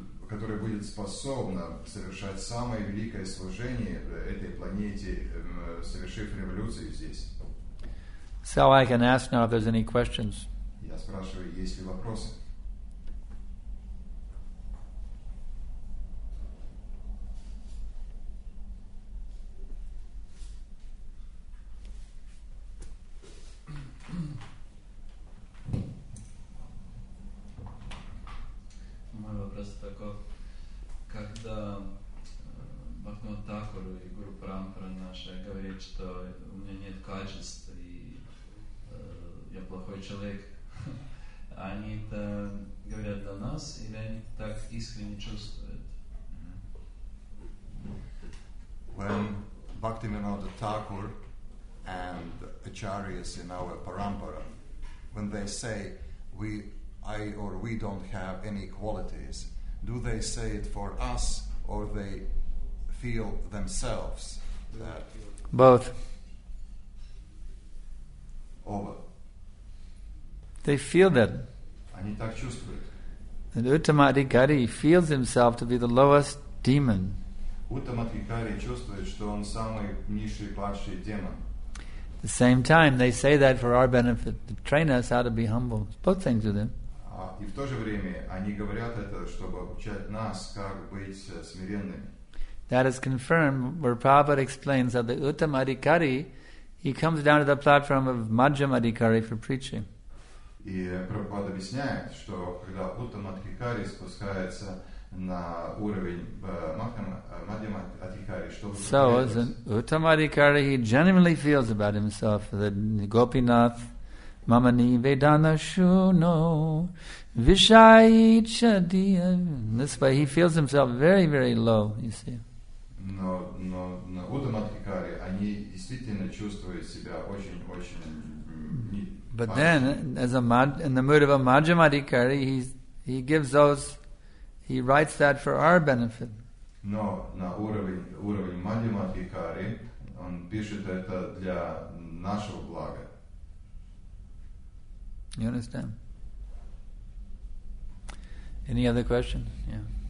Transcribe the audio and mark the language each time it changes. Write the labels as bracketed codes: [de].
[ru] Который будет способен совершать самое великое служение этой планете, совершив революцию здесь. [en] So I can ask now if there's any questions. [ru] Я спрашиваю, есть ли вопросы? Мой вопрос такой. Когда Бхактивинод Тхакур и Гуру Парампара наша говорит, что у меня нет качеств и я плохой человек, они это говорят до нас или они так искренне чувствуют? [en] When Bhaktivinoda Thakur and Acharyas in our parampara, when they say we don't have any qualities, do they say it for us or they feel themselves that? Both. Over. They feel that. [ru] Они так чувствуют. [en] And Uttama Adhikari feels himself to be the lowest demon. [ru] Uttama Adhikari чувствует, что он самый низший, падший демон. [en] At the same time, they say that for our benefit, to train us how to be humble. Both things with them. [ru] И в то же время они говорят это, чтобы обучать нас, как быть смиренными. [en] That is confirmed where Prabhupada explains that the Uttama Adhikari, he comes down to the platform of Madhyama Adhikari for preaching. [ru] И Прабхупада объясняет, что когда Уттама Адхикари спускается на уровень Мадхьяма Адхикари, [en] so as an Uttama Adhikari, he genuinely feels about himself that Gopinath, [bn] Mama Nivedana Shuno, Vishayichadiya. [en] This way, he feels himself very, very low. You see. [ru] Но Уттама Адхикари, они действительно чувствуют себя очень, очень. [en] But then, in the mood of a Madhyama Adhikari, he gives those. He writes that for our benefit. [ru] No, на уровень Мадхьяма Адхикари он пишет это для нашего блага. [en] You understand? Any other question? Yeah.